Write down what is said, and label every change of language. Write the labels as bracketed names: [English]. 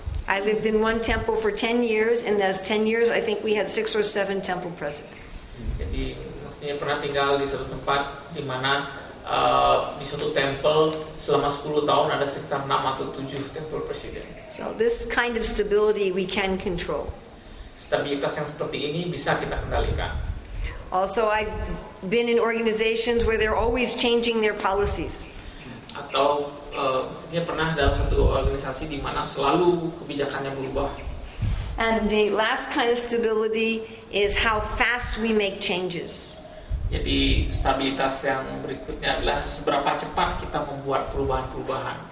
[English] I lived in one temple for 10 years, and those 10 years, I think we had 6 or 7 temple presidents. [Indonesian] Jadi, maksudnya pernah tinggal di satu tempat di mana di suatu temple selama 10 tahun ada sekitar 6 atau 7 temple president. [English] So this kind of stability we can control. [Indonesian] Stabilitas yang seperti ini bisa kita kendalikan. [English] Also, I've been in organizations where they're always changing their policies. [Indonesian] Atau dia pernah dalam satu organisasi di mana selalu kebijakannya berubah. [English] And the last kind of stability is how fast we make changes. [Indonesian] Jadi stabilitas yang berikutnya adalah seberapa cepat kita membuat perubahan-perubahan.